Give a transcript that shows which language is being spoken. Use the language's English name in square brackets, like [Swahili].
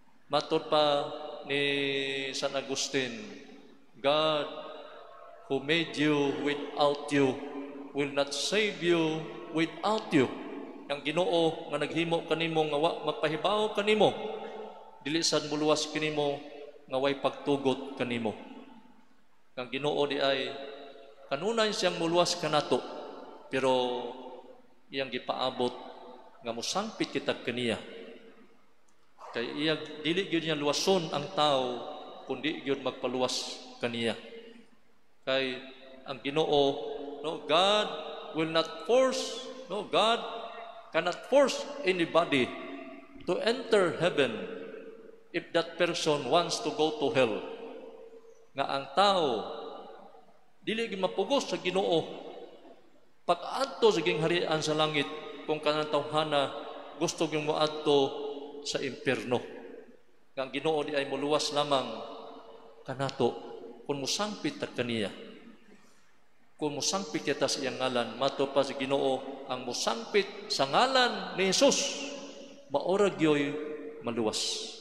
[Cebuano] Matod pa [English] ni San Agustin, God who made you without you will not save you without you. [Cebuano] Ang Ginoo nga naghimo kanimo nga wa mapahibaw kanimo, dili sad muluwas kanimo nga way pagtugot kanimo. Ang Ginoo di ay kanunay siyang muluwas kanato, pero iyang gipaabot nga musangpit kita kaniya. Kay iya dili gyud niya luwason ang tao kundi gyud magpaluwas kaniya. Kay ang Ginoo, no, [English] God will not force, [Cebuano] no, [English] God cannot force anybody to enter heaven if that person wants to go to hell. [Cebuano] Nga ang tao dili gyud mapugos sa Ginoo pag-adto sa gingharian sa langit kung kanang tawhana gusto gyud moadto sa impierno. Nga ang Ginoo di ay muluwas lamang kanato kung musangpit ta kaniya. Kung musangpit kita sa iyang ngalan, mato pa si Ginoo, ang musangpit sa ngalan ni Jesus, maorag yoy maluwas.